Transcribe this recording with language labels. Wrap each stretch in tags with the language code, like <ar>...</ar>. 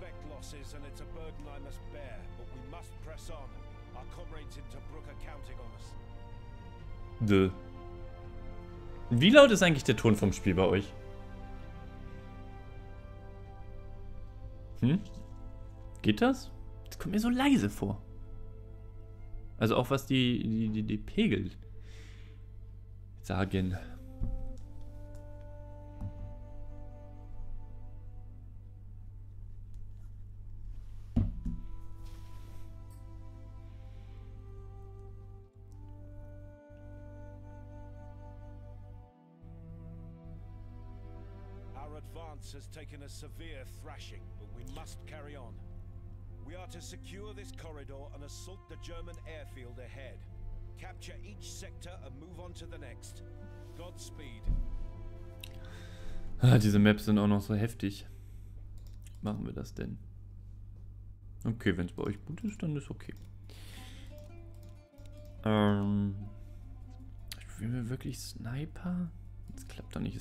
<en>losses and it's a burden I must bear, but we must press on. Our comrades in Tobruk are counting on us. Dö.</en> <de>Wie laut ist eigentlich der Ton vom Spiel bei euch? Geht das? Das kommt mir so leise vor. Also auch was die Pegel sagen.</de> <en>Advance has taken a severe thrashing, but we must carry on. We are to secure this corridor and assault the German airfield ahead. Capture each sector and move on to the next. Godspeed.</en> <de>Ah, diese Maps sind auch noch so heftig. Machen wir das denn? Okay, wenn es bei euch gut ist, dann ist okay. Spielen wir wirklich Sniper? Das klappt doch nicht.</de>